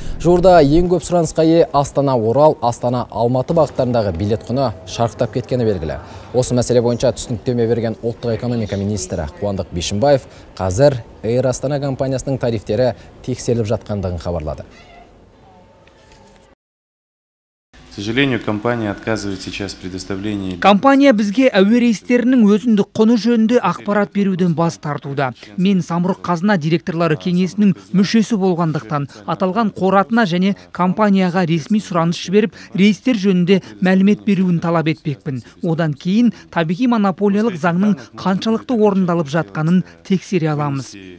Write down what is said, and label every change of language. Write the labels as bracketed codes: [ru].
[kk] Жуырда ең көп сұранысқа ие Астана-Орал, Астана-Алматы бағыттарындағы билет құны шарықтап кеткені белгілі. Осы мәселе бойынша түсініктеме берген ұлттық экономика министрі Қуандық Бишімбаев қазір Air Astana компаниясының тарифтері тексеріліп жатқандығын хабарлады. [ru] К сожалению, компания отказывает сейчас предоставление. [kk] Компания бізге әуе рейстерінің өзіндік құны жөнінде ақпарат беруден бас тартуда. Мен Самұрық-Қазына директорлары кеңесінің мүшесі болғандықтан аталған қоратына және компанияға ресми сұраныс жіберіп, рейстер жөнінде мәлімет беруін талап етпекпін. Одан кейін табиғи монополиялық заңның қаншалықты орындалып жатқанын тексере аламыз.